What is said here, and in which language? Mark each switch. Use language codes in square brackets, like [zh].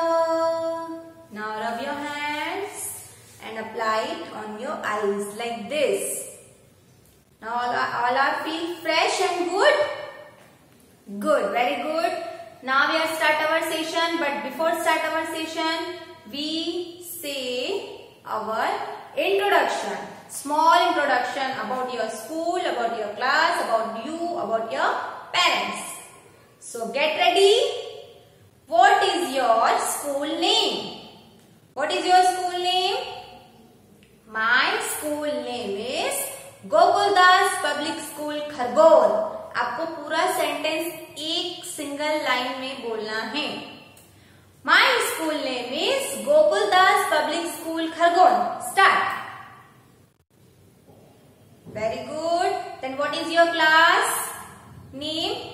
[en] Now rub your hands and apply it on your eyes like this. Now all are feel fresh and good. Good, very good. Now we are start our session, but before start our session, we say our introduction, small introduction about your school, about your class, about you, about your parents. So get ready. What is your school name? What is your school name? My school name is Gokuldas Public School, Kharbor. [hi] आपको पूरा sentence एक single line में बोलना है. [en] My school name is Gokuldas public school Khargone. Start. Very good. Then what is your class name?